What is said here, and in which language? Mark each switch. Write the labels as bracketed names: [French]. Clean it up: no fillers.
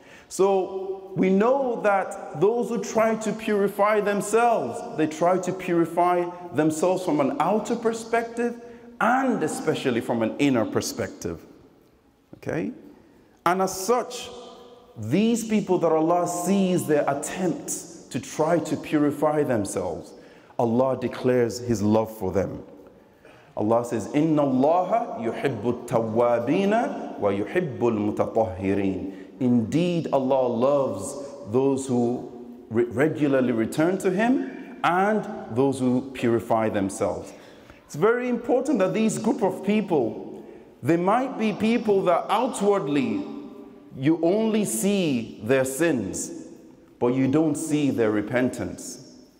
[English] So we know that those who try to purify themselves, they try to purify themselves from an outer perspective and especially from an inner perspective. Okay? And as such, these people that Allah sees their attempt to try to purify themselves, Allah declares His love for them. Allah says, [Arabic] إِنَّ اللَّهَ يُحِبُّ التَّوَّابِينَ وَيُحِبُّ الْمُتَطَهِّرِينَ. [English] Indeed, Allah loves those who regularly return to Him and those who purify themselves. It's very important that these group of people, they might be people that outwardly you only see their sins, but you don't see their repentance.